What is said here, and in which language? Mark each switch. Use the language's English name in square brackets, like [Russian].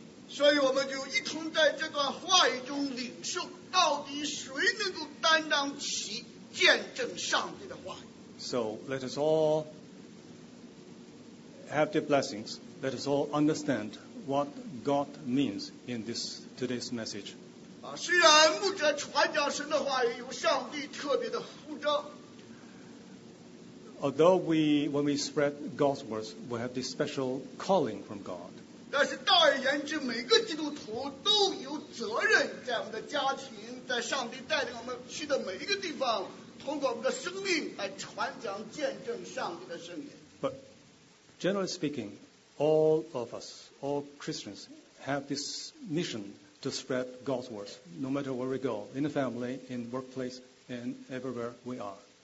[Chinese] 所以我们就一同在这段话语中领受，到底谁能够担当起见证上帝的话语？ [English] So let us all have the blessings. Let us all understand what God means in this today's message. [Chinese] 虽然牧者传讲神的话语，有上帝特别的呼召。 [English] although we, when we spread God's words, we have this special calling from God. [Chinese] 但是大而言之，每个基督徒都有责任，在我们的家庭，在上帝带领我们去的每一个地方，通过我们的生命来传讲、见证上帝的圣言。 [English] But generally speaking, all of us, all Christians, have this mission to spread God's words, no matter where we go, in the family, in the workplace, and everywhere we are.